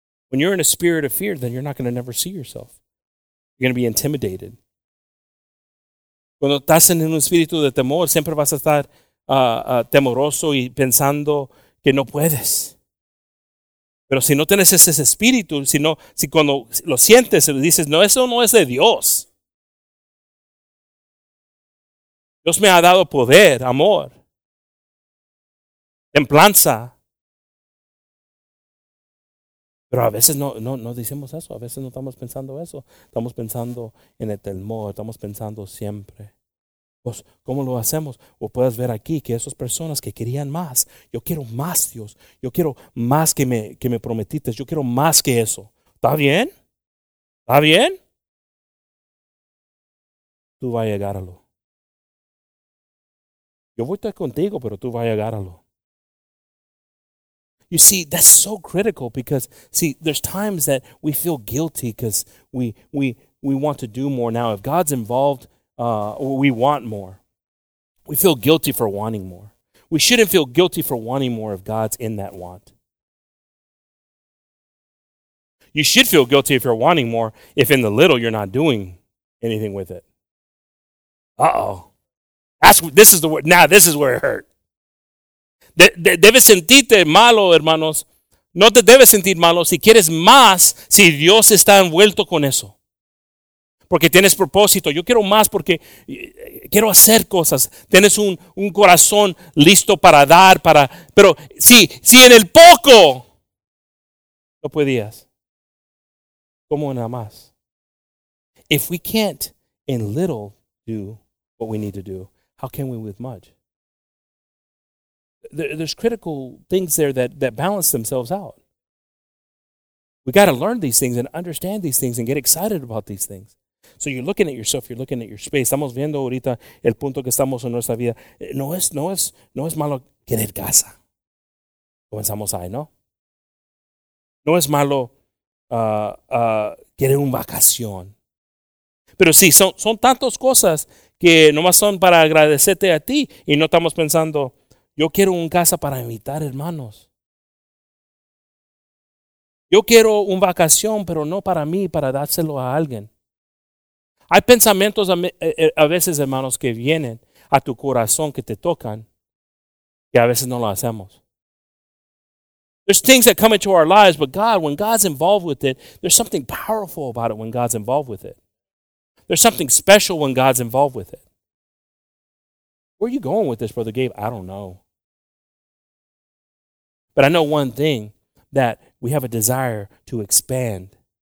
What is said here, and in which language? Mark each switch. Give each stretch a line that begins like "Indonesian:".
English: When you're in a spirit of fear, then you're not going to never see yourself. You're going to be intimidated.
Spanish: Cuando estás en un espíritu de temor, siempre vas a estar temoroso y pensando que no puedes. Pero si no tienes ese espíritu, si cuando lo sientes, dices, no, eso no es de Dios. Dios me ha dado poder, amor, templanza. Pero a veces no decimos eso, a veces no estamos pensando eso. Estamos pensando en el temor, estamos pensando siempre. Pues, ¿cómo lo hacemos? O puedes ver aquí que esas personas que querían más, yo quiero más, Dios, yo quiero más que me prometiste, yo quiero más que eso. ¿Está bien? ¿Está bien? Tú vas a llegarlo. Yo voy a estar contigo, pero tú vas a llegarlo.
English: You see, that's so critical because, see, there's times that we feel guilty because we want to do more. Now, if God's involved, we want more. We feel guilty for wanting more. We shouldn't feel guilty for wanting more if God's in that want. You should feel guilty if you're wanting more if in the little you're not doing anything with it. Uh-oh. This is where it hurt.
Spanish: Debes sentirte malo, hermanos. No te debes sentir malo si quieres más, si Dios está envuelto con eso. Porque tienes propósito. Yo quiero más porque quiero hacer cosas. Tienes un corazón listo para dar. Pero si en el poco no podías, ¿cómo en la más?
English: If we can't in little do what we need to do, how can we with much? There's critical things there that balance themselves out. We got to learn these things and understand these things and get excited about these things. So you're looking at yourself, you're looking at your space.
Spanish: Estamos viendo ahorita el punto que estamos en nuestra vida. No es malo querer casa. Comenzamos ahí, ¿no? No es malo querer una vacación. Pero sí, son tantas cosas que nomás son para agradecerte a ti y no estamos pensando... Yo quiero un casa para invitar hermanos. Yo quiero una vacación, pero no para mí, para dárselo a alguien. Hay pensamientos a veces, hermanos, que vienen a tu corazón, que te tocan, que a veces no lo hacemos.
English: There's things that come into our lives, but God, when God's involved with it, there's something powerful about it when God's involved with it. There's something special when God's involved with it. Where are you going with this, Brother Gabe? I don't know. But I know one thing, that we have a desire to expand.